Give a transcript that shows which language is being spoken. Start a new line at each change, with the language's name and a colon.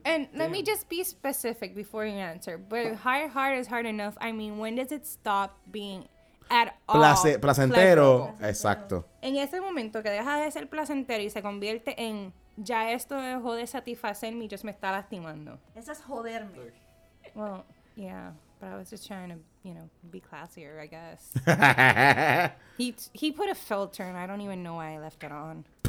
English: And let me just be specific before you answer. But hard is hard enough. I mean, when does it stop being at all
Spanish: placentero? Placentero. Exacto. En ese momento que deja de ser placentero y se convierte en ya esto dejó de satisfacerme y just me está lastimando. Eso es joderme.
English: Well, yeah. But I was just trying to, you know, be classier, I guess. he put a filter and I don't even know why I left it on.